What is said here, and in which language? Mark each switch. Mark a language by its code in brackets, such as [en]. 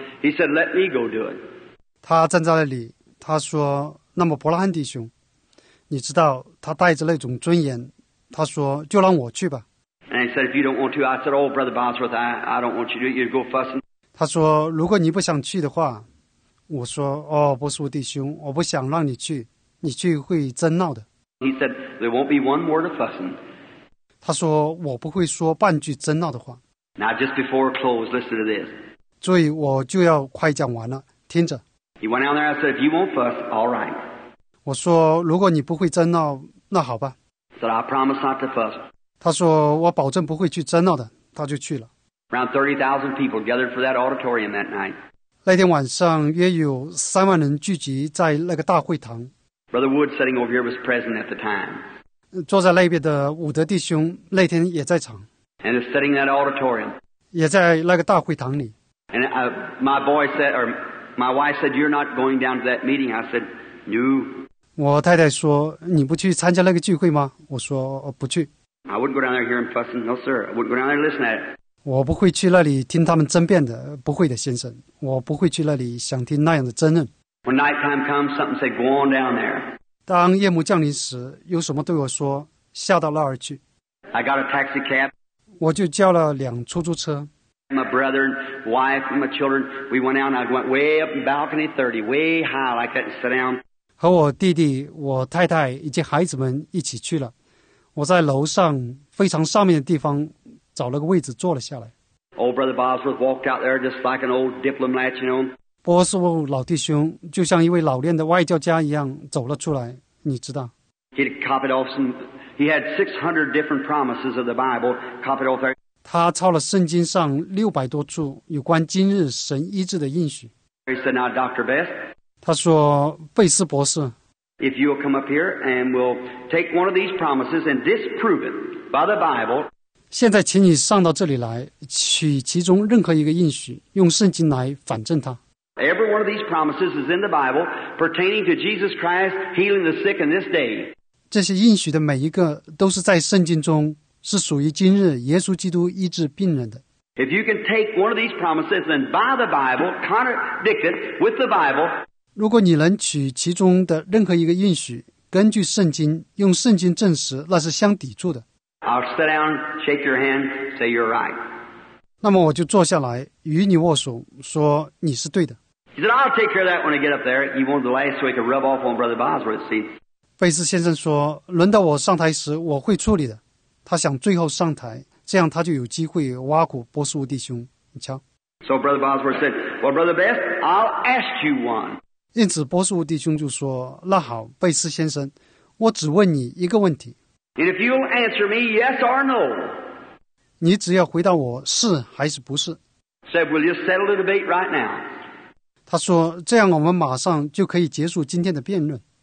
[en] He said, "Let me go do it." [zh] 他站在那里，他说：“那么伯拉罕弟兄，你知道他带着那种尊严，他说就让我去吧。 [en] ”And he said, "If you don't want to," I said, "Oh, Brother Bosworth, I don't want you to. You go fussing." [zh] 他说：“如果你不想去的话，我说哦，波斯沃弟兄，我不想让你去。” 你去会争闹的。 [en] He said, there won't be one word of fussing. [zh] 他说我不会说半句争闹的话。 [en] Now just before close, listen to this. [zh] 注意我就要快讲完了，听着。 [en] He went down there and said, if you won't fuss, all right. [zh] 我说如果你不会争闹，那好吧。 [en] Said, I promise not to fuss. [zh] 他说我保证不会去争闹的，他就去了。 [en] Around 30,000 people gathered for that auditorium that night. [zh] 那天晚上约有30,000人聚集在那个大会堂。 [en] Brother Wood sitting over here was present at the time. [zh] 坐在那边的伍德弟兄那天也在场。 [en] And is sitting in that auditorium. [zh] 也在那个大会堂里。 [en] And my boy said, or my wife said, you're not going down to that meeting. I said, no. [zh] 我太太说你不去参加那个聚会吗？我说不去。 [en] I wouldn't go down there hearing fussing. No, sir. I wouldn't go down there and listen to it. [zh] 我不会去那里听他们争辩的，不会的，先生。我不会去那里想听那样的争论。 [en] When nighttime comes, something said, "Go on down there." [zh] 当夜幕降临时，有什么对我说，下到那儿去。 [en] I got a taxi cab. [zh] 我就叫了辆出租车。 [en] My brother, wife, and my children, we went out. And I went way up in balcony 30, way high, like that, and sit down. [zh] 和我弟弟、我太太以及孩子们一起去了。我在楼上非常上面的地方找了个位置坐了下来。 [en] Old brother Bosworth walked out there just like an old diplomat, you know. [zh] 波斯沃老弟兄就像一位老练的外交家一样走了出来，你知道。 [en] He copied off some. He had 600 different promises of the Bible copied off there. [zh] 他抄了圣经上600多处有关今日神医治的应许。 [en] He said, "Now, Dr. Beth." [zh] 他说，贝斯博士。 [en] If you will come up here and will take one of these promises and disprove it by the Bible. [zh] 现在请你上到这里来，取其中任何一个应许，用圣经来反证它。 [en] Every one of these promises is in the Bible pertaining to Jesus Christ healing the sick in this day. [zh] 这些应许的每一个都是在圣经中，是属于今日耶稣基督医治病人的。 [en] If you can take one of these promises and by the Bible contradict it with the Bible. [zh] 如果你能取其中的任何一个应许，根据圣经，用圣经证实，那是相抵触的。 [en] I'll sit down, shake your hand, say you're right. [zh] 那么我就坐下来，与你握手，说你是对的。 [en] He said, "I'll take care of that when I get up there. He wanted the light so he could rub off on Brother Bosworth." See, [zh] 贝斯先生说，轮到我上台时，我会处理的。他想最后上台，这样他就有机会挖苦波斯沃弟兄。你瞧。 [en] So Brother Bosworth said, "Well, Brother Beth, I'll ask you one." [zh] 因此波斯沃弟兄就说，那好，贝斯先生，我只问你一个问题。 [en] And if you'll answer me yes or no. [zh] 你只要回答我是还是不是。 [en] Said, "Will you settle the debate right now?" [zh] 他说，这样我们马上就可以结束今天的辩论。